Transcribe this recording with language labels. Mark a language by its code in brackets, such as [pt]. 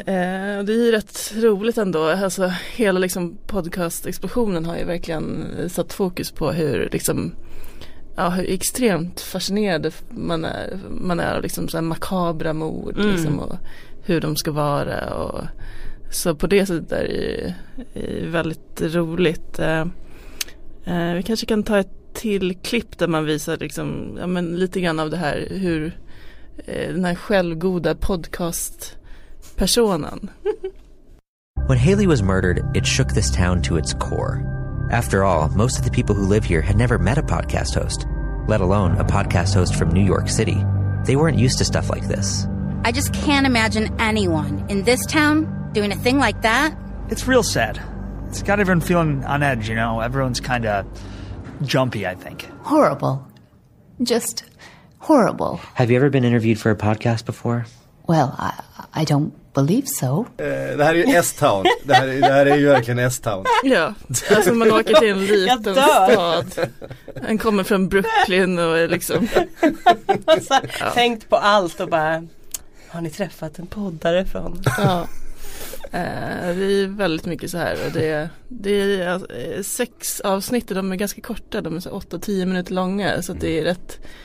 [sv] Det är ju rätt roligt ändå, alltså hela liksom podcast-explosionen har ju verkligen satt fokus på hur liksom, ja, hur extremt fascinerad man är av liksom så här makabra mord liksom, och hur de ska vara, och så på det sättet är det väldigt roligt. Vi kanske kan ta ett till klipp där man visar liksom, ja, men lite grann av det här, hur den här självgoda podcast-personen. [en] When Haley was murdered, it shook this town to its core. After all, most of the people who live here had never met a podcast host, let alone a podcast host from New York City. They weren't used to stuff like this. I just can't imagine anyone in this town doing a thing like that. It's real sad. It's got everyone feeling on edge, you know? Everyone's kind of jumpy, I think. Horrible. Just horrible. Have you ever been interviewed for a podcast before? Well, I don't believe so. [sv] Det här är ju S-town. Det här är ju verkligen S-town. Ja, alltså man åker till en liten stad. Han kommer från Brooklyn och är liksom... Ja. Tänkt på allt och bara, har ni träffat en poddare från? Ja, det är väldigt mycket så här. Det är 6 avsnitt, de är ganska korta, de är 8-10 minuter långa, så det är rätt...